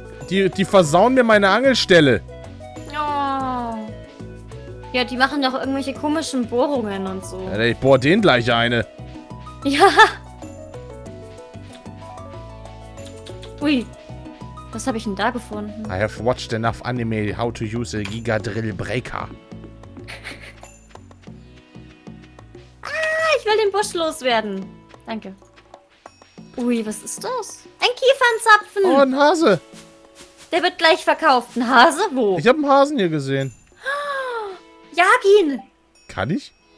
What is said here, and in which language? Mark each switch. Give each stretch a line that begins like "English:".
German: Die versauen mir meine Angelstelle. Oh. Ja, die machen doch irgendwelche komischen Bohrungen und so. Alter, ich bohr den gleich eine. Ja. Ui. Was habe ich denn da gefunden?
English: I have watched enough anime how to use a Giga Drill Breaker.
German: Ah, ich will den Busch loswerden. Danke. Ui, was ist das? Ein Kiefernzapfen. Oh, ein Hase. Der wird gleich verkauft. Ein Hase? Wo? Ich habe einen Hasen hier gesehen. Oh, jag ihn. Kann ich?